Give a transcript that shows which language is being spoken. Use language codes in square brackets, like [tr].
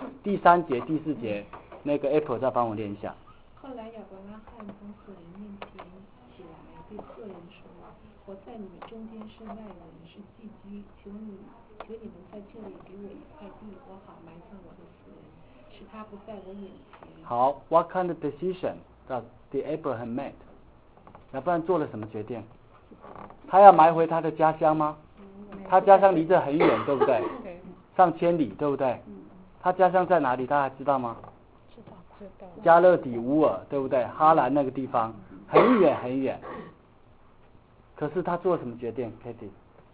[zh] 第三节第四节，那个 Apple 再帮我念一下。后来亚伯拉罕从死人面前起来，对客人说：“我在你们中间是外人，是寄居，求你们在这里给我一块地，我好埋葬我的死人，使他不在我眼前。” [en] 好， What kind of decision does the Abraham made？ [zh] 亚伯拉罕做了什么决定？他要埋回他的家乡吗？他家乡离这很远，对不对？上千里，对不对？他家乡在哪里？大家知道吗？知道。加勒底乌尔，对不对？哈兰那个地方很远很远。可是他做什么决定 ，Katie？